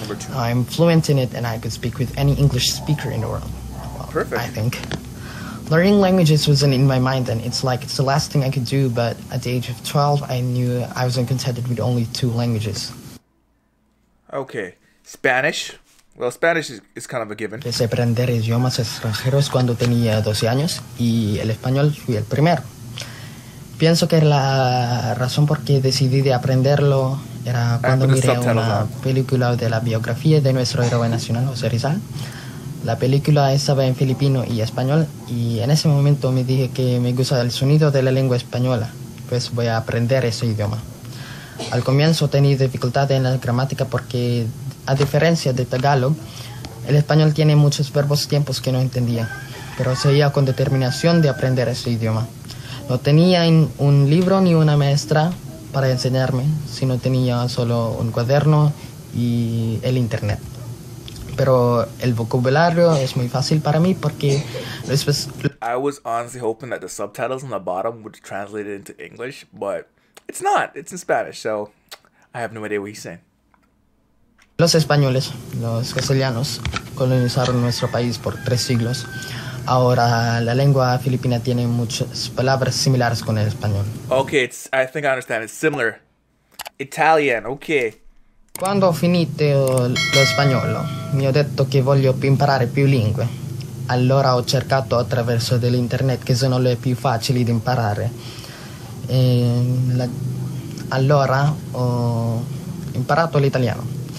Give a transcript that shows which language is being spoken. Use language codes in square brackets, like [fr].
[en] I'm fluent in it and I could speak with any English speaker in the world. Well, perfect. I think. Learning languages wasn't in my mind then. It's like it's the last thing I could do, but at the age of 12, I knew I wasn't contented with only two languages. Okay. Spanish. Well, Spanish is kind of a given. [es] Empecé a aprender idiomas extranjeros cuando tenía 12 años y el español fui el primero. Pienso que la razón por qué decidí de aprenderlo era cuando miré una película de la biografía de nuestro héroe nacional, José Rizal. La película estaba en filipino y español y en ese momento me dije que me gusta el sonido de la lengua española, pues voy a aprender ese idioma. Al comienzo tenía dificultad en la gramática porque, a diferencia de Tagalog, el español tiene muchos verbos tiempos que no entendía, pero seguía con determinación de aprender ese idioma. No tenía un libro ni una maestra para enseñarme, sino tenía solo un cuaderno y el internet. Pero el vocabulario es muy fácil para mí porque después... [en] I was honestly hoping that the subtitles on the bottom would translate it into English, but it's not. It's in Spanish, so I have no idea what he's saying. [es] Los españoles, los castellanos, colonizaron nuestro país por 3 siglos. Ahora, la lengua filipina tiene muchas palabras similares con el español. [en] Okay, I think I understand. It's similar. Italian, okay. [it] Cuando finito lo spagnolo, mi ho detto che voglio imparare più lingue. Allora ho cercato attraverso dell'internet che sono le più facili da imparare. E allora ho imparato l'italiano.